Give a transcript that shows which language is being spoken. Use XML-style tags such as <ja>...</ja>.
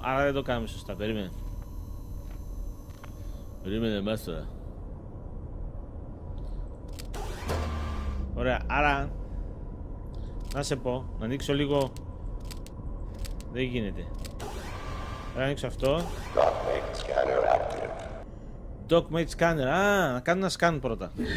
<el>Άρα δεν το κάνουμε σωστά, περίμενε εμάς τώρα. Ωραία, άρα να σε πω, να ανοίξω λίγο. Δεν γίνεται. Θα ανοίξω αυτό.</el> <en>Dockmate scanner active.</en> <el>Dockmate scanner, να κάνω ένα scan πρώτα.</el>